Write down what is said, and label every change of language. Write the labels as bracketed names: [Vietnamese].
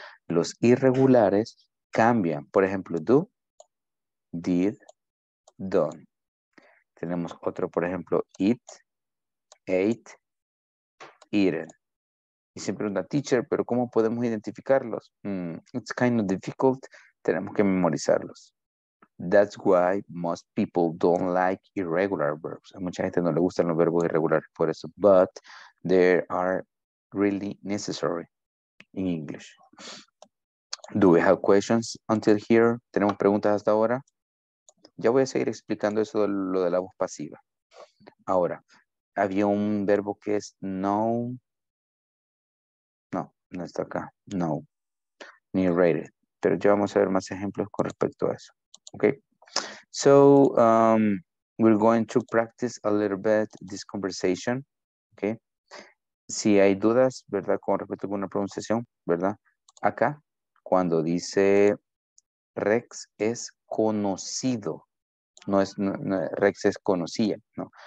[Spanish] Los irregulares cambian. Por ejemplo, do, did, done. Tenemos otro, por ejemplo, eat, ate, eaten. Y siempre una teacher, pero ¿cómo podemos identificarlos? [English] It's kind of difficult. [Spanish] Tenemos que memorizarlos. [English] That's why most people don't like irregular verbs. [Spanish] A mucha gente no le gustan los verbos irregulares por eso. [English] But they are really necessary in English. Do we have questions until here? [Spanish] ¿Tenemos preguntas hasta ahora? Ya voy a seguir explicando eso de lo de la voz pasiva. Ahora, había un verbo que es known. No está acá, no, ni rated. Pero ya vamos a ver más ejemplos con respecto a eso. [English] Okay. So, we're going to practice a little bit this conversation. [Spanish] Okay. Si hay dudas, ¿verdad? Con respecto a una pronunciación, ¿verdad? Acá, cuando dice Rex es conocido, no es no, Rex es conocida, no.